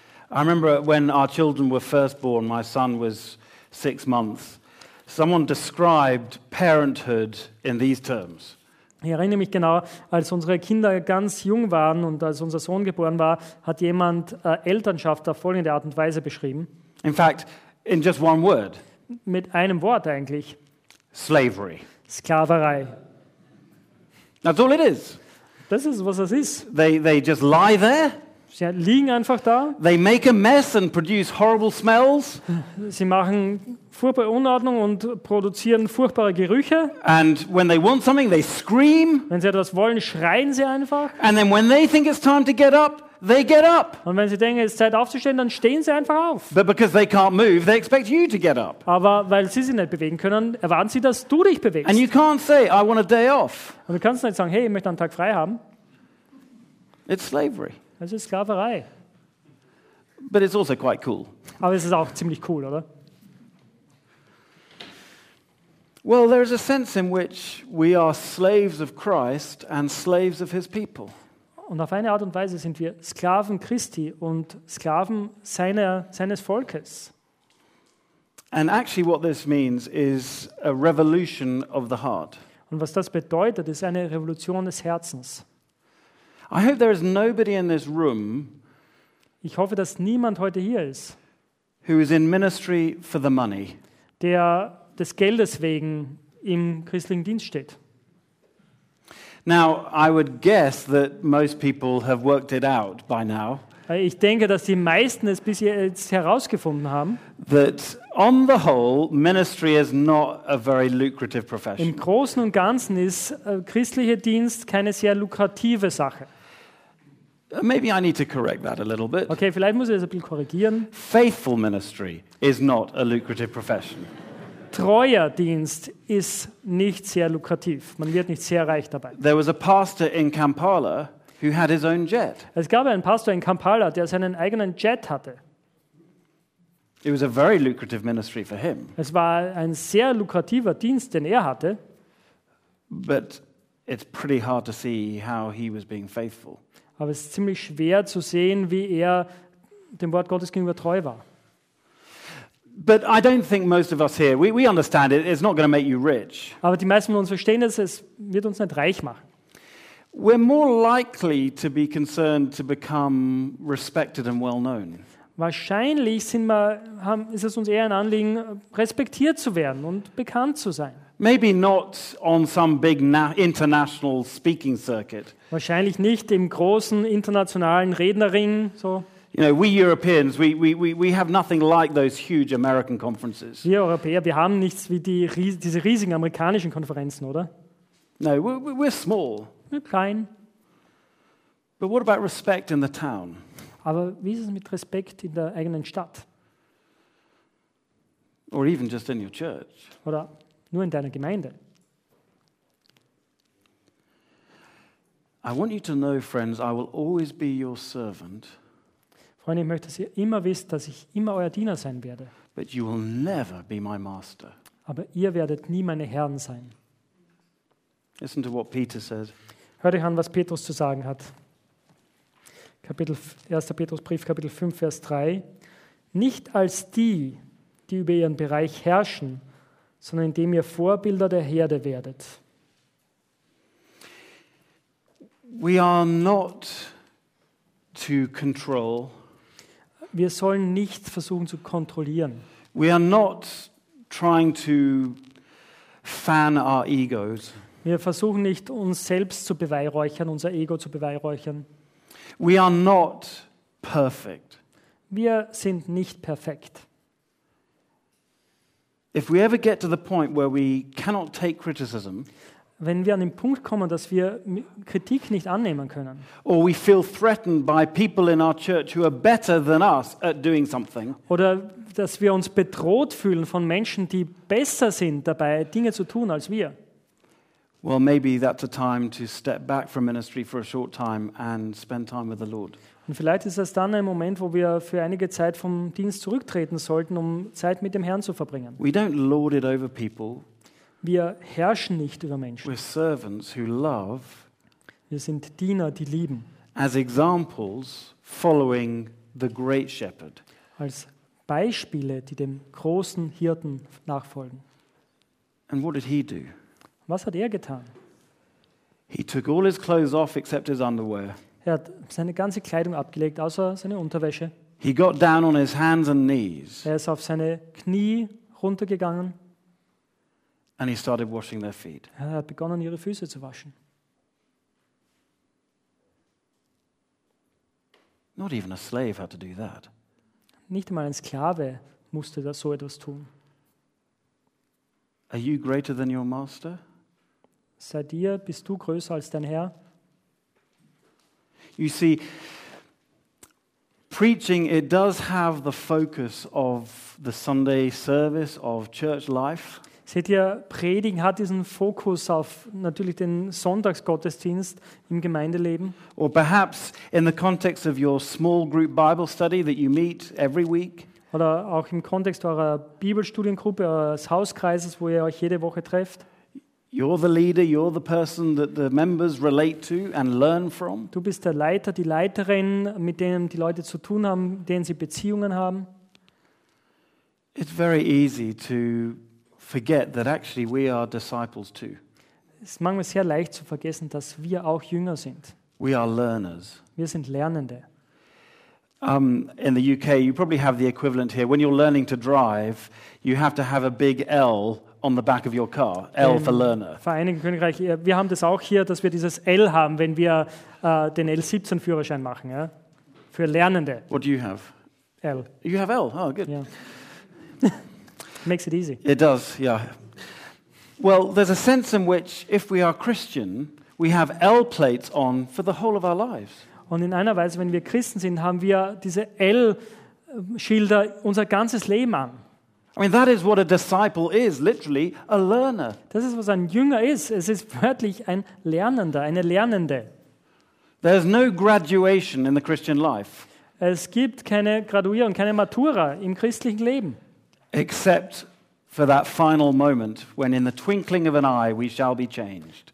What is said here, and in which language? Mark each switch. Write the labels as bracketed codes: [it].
[en] I remember when our children were first born, my son was 6 months. Someone described parenthood in these terms. [de] Ich erinnere mich genau, als unsere Kinder ganz jung waren und als unser Sohn geboren war, hat jemand Elternschaft auf folgende Art und Weise beschrieben. [en] In fact, in just one word. [de] Mit einem Wort eigentlich. [en] Slavery. [de] Sklaverei. [en] That's all it is. [de] Das ist, was es ist. [en] They just lie there. [de] Sie liegen einfach da. [en] They make a mess and produce horrible smells. [de] Sie machen furchtbare Unordnung und produzieren furchtbare Gerüche. [en] And when they want something, they scream. [de] Wenn sie etwas wollen, schreien sie einfach. [en] And then when they think it's time to get up, they get up. [de] Und wenn sie denken, es ist Zeit aufzustehen, dann stehen sie einfach auf. [en] But because they can't move, they expect you to get up. [de] Aber weil sie sich nicht bewegen können, erwarten sie, dass du dich bewegst. [en] And you can't say, I want a day off. [de] Und du kannst nicht sagen, hey, ich möchte einen Tag frei haben. [en] It's slavery. [de] Es ist Sklaverei. [en] But it's also quite cool. [de] Aber es ist auch ziemlich cool, oder? [en] Well, there is a sense in which we are slaves of Christ and slaves of his people. [de] Und auf eine Art und Weise sind wir Sklaven Christi und Sklaven seines Volkes. [en] And actually what this means is a revolution of the heart. [de] Und was das bedeutet, ist eine Revolution des Herzens. [en] I hope there is nobody in this room. [de] Ich hoffe, dass niemand heute hier ist. [en] Who is in ministry for the money. [de] Der des Geldes wegen im christlichen Dienst steht. [en] Now, I would guess that most people have worked it out by now. [de] Ich denke, dass die meisten es bis jetzt herausgefunden haben. [en] That on the whole, ministry is not a very lucrative profession. [de] Im Großen und Ganzen ist christlicher Dienst keine sehr lukrative Sache. [en] Maybe I need to correct that a little bit. [de] Okay, vielleicht muss ich das ein bisschen korrigieren. [en] Faithful ministry is not a lucrative profession. [de] Treuer Dienst ist nicht sehr lukrativ. Man wird nicht sehr reich dabei. [en] There was a pastor in Kampala who had his own jet. [de] Es gab einen Pastor in Kampala, der seinen eigenen Jet hatte. [en] It was a very lucrative ministry for him. [de] Es war ein sehr lukrativer Dienst, den er hatte. [en] But it's pretty hard to see how he was being faithful. [de] Aber es ist ziemlich schwer zu sehen, wie er dem Wort Gottes gegenüber treu war. [en] But I don't think most of us here, we understand it, it's not going to make you rich. [de] Aber die meisten von uns verstehen es, es wird uns nicht reich machen. [en] We're more likely to be concerned to become respected and well known. [de] Wahrscheinlich sind wir, ist es uns eher ein Anliegen, respektiert zu werden und bekannt zu sein. [en] Maybe not on some big international speaking circuit. [de] Wahrscheinlich nicht im großen internationalen Rednerring so. [en] You know, we Europeans, we have nothing like those huge American conferences. [de] Wir Europäer, wir haben nichts wie diese riesigen amerikanischen Konferenzen, oder? [en] No, we're small. [de] Wir klein. [en] But what about respect in the town? [de] Aber wie ist es mit Respekt in der eigenen Stadt? [en] Or even just in your church? [de] Oder nur in deiner Gemeinde? [en] I want you to know, friends, I will always be your servant. [de] Freunde, ich möchte, dass ihr immer wisst, dass ich immer euer Diener sein werde. [en] But you will never be my master. [de] Aber ihr werdet nie meine Herren sein. [en] Listen to what Peter said. [de] Hört euch an, was Petrus zu sagen hat. 1. Petrusbrief, Kapitel 5, Vers 3. Nicht als die, die über ihren Bereich herrschen, sondern indem ihr Vorbilder der Herde werdet. [en] We are not to control. [de] Wir sollen nicht versuchen zu kontrollieren. [en] We are not trying to fan our egos. [de] Wir versuchen nicht, uns selbst zu beweihräuchern, unser Ego zu beweihräuchern. [en] We are not perfect. [de] Wir sind nicht perfekt. [en] If we ever get to the point where we cannot take criticism, [de] wenn wir an den Punkt kommen, dass wir Kritik nicht annehmen können. [en] Or we feel threatened by people in our church who are better than us at doing something. [de] Oder dass wir uns bedroht fühlen von Menschen, die besser sind dabei, Dinge zu tun als wir. [en] Well, maybe that's a time to step back from ministry for a short time and spend time with the Lord. [de] Und vielleicht ist das dann ein Moment, wo wir für einige Zeit vom Dienst zurücktreten sollten, um Zeit mit dem Herrn zu verbringen. [en] We don't lord it over people. [de] Wir herrschen nicht über Menschen. [en] We're servants who love. [de] Wir sind Diener, die lieben. [en] As examples following the great shepherd. [de] Als Beispiele, die dem großen Hirten nachfolgen. [en] And what did he do? [de] Was hat er getan? [en] He took all his clothes off except his underwear. [de] Er hat seine ganze Kleidung abgelegt, außer seine Unterwäsche. [en] He got down on his hands and knees. [de] Er ist auf seine Knie runtergegangen. [en] And he started washing their feet. [de] Er hat begonnen, ihre Füße zu waschen. [en] Not even a slave had to do that. [de] Nicht einmal ein Sklave musste das so etwas tun. [en] Are you greater than your master? [de] Seid ihr, bist du größer als dein Herr? [en] You see, preaching, it does have the focus of the Sunday service of church life. [de] Seht ihr, Predigen hat diesen Fokus auf natürlich den Sonntagsgottesdienst im Gemeindeleben. [en] Or perhaps in the context of your small group Bible study that you meet every week. [de] Oder auch im Kontext eurer Bibelstudiengruppe, eures Hauskreises, wo ihr euch jede Woche trefft. [en] You're the leader, you're the person that the members relate to and learn from. [de] Du bist der Leiter, die Leiterin, mit denen die Leute zu tun haben, denen sie Beziehungen haben. [en] It's very easy to forget that actually we are disciples too. [de] Es ist manchmal sehr leicht zu vergessen, dass wir auch Jünger sind. [en] We are learners. [de] Wir sind Lernende. [en] In the UK, you probably have the equivalent here. When you're learning to drive, you have to have a big L on the back of your car. L for learner. [de] Vereinigten Königreich, wir haben das auch hier, dass wir dieses L haben, wenn wir den L17 Führerschein machen, ja? Für Lernende. [en] What do you have? L. You have L. Oh, good. Yeah. Makes it easy. It does, yeah. Well, there's a sense in which if we are Christian, we have L plates on for the whole of our lives. [de] Und in einer Weise, wenn wir Christen sind, haben wir diese L-Schilder unser ganzes Leben an. [en] I mean, that is what a disciple is, literally a learner. [de] Das ist, was ein Jünger ist. Es ist wörtlich ein Lernender, eine Lernende. [en] There's no graduation in the Christian life. [de] Es gibt keine Graduierung, keine Matura im christlichen Leben. [en] Except for that final moment when in the twinkling of an eye we shall be changed.